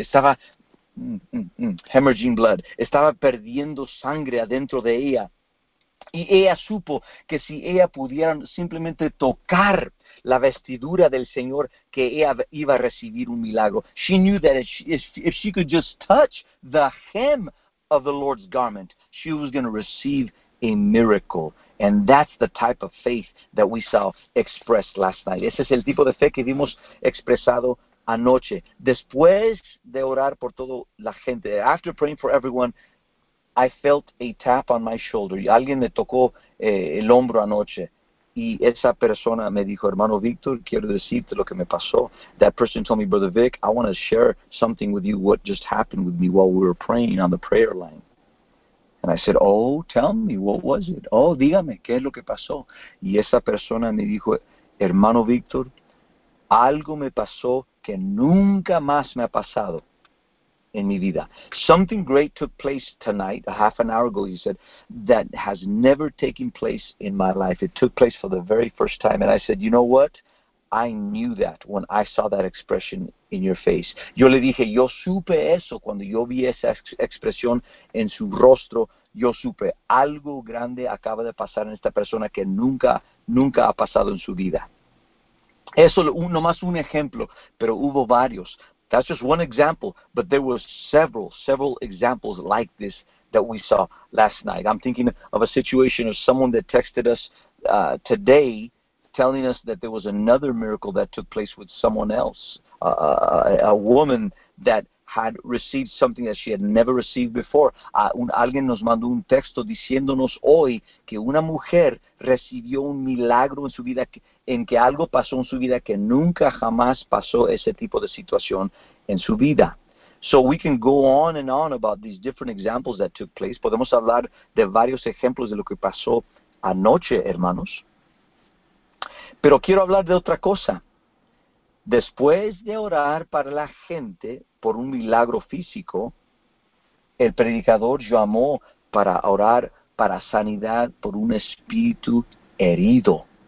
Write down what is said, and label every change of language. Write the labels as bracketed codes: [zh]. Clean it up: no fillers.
[es] Estaba [en] hemorrhaging blood. [es] Estaba perdiendo sangre adentro de ella. Y ella supo que si ella pudiera simplemente tocar la vestidura del Señor, que ella iba a recibir un milagro. [en] She knew that if she could just touch the hem of the Lord's garment, she was going to receive a miracle. And that's the type of faith that we saw expressed last night. [es] Ese es el tipo de fe que vimos expresado anoche. Después de orar por toda la gente, [en] after praying for everyone, I felt a tap on my shoulder. [es] Alguien me tocó el hombro anoche. Y esa persona me dijo, hermano Víctor, quiero decirte lo que me pasó. [en] That person told me, brother Vic, I want to share something with you, what just happened with me while we were praying on the prayer line. And I said, oh, tell me, what was it? [es] Oh, dígame, ¿qué es lo que pasó? Y esa persona me dijo, hermano Víctor, algo me pasó que nunca más me ha pasado [en] in my [es] vida. [en] Something great took place tonight, a half an hour ago, he said, that has never taken place in my life. It took place for the very first time. And I said, you know what? I knew that when I saw that expression in your face. [es] Yo le dije, yo supe eso cuando yo vi esa expresión en su rostro. Yo supe, algo grande acaba de pasar en esta persona que nunca, nunca ha pasado en su vida. Eso nomás un ejemplo, pero hubo varios. [en] That's just one example, but there were several examples like this that we saw last night. I'm thinking of a situation of someone that texted us today telling us that there was another miracle that took place with someone else, a woman that had received something that she had never received before. [es] Alguien nos mandó un texto diciéndonos hoy que una mujer recibió un milagro en su vida, en que algo pasó en su vida que nunca jamás pasó ese tipo de situación en su vida. [en] So we can go on and on about these different examples that took place. [es] Podemos hablar de varios ejemplos de lo que pasó anoche, hermanos. Pero quiero hablar de otra cosa. Después de orar para la gente por un milagro físico, el predicador llamó para orar para sanidad por un espíritu herido.